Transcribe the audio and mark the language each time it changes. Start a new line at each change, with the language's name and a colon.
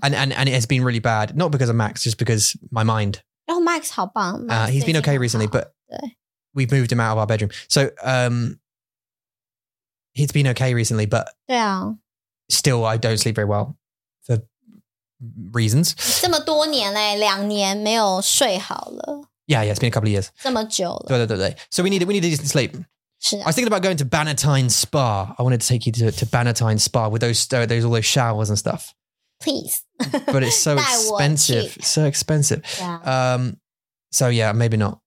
English: And it has been really bad, not because of Max, just because my mind.
Chinese: Oh, Max好棒.
English: He's been okay recently, but we've moved him out of our bedroom. So, he's been okay recently, but still I don't sleep very well. Reasons.
Chinese: 这么多年嘞，两年没有睡好了。
English: Yeah, yeah, it's been a couple of years.
Chinese: 这么久了。对对对对。
English: So we need decent sleep.
Chinese: 是。
English: I was thinking about going to Bannatyne Spa. I wanted to take you to Bannatyne Spa with all those showers and stuff. Please. But it's so expensive. So expensive. Yeah. So yeah, maybe not.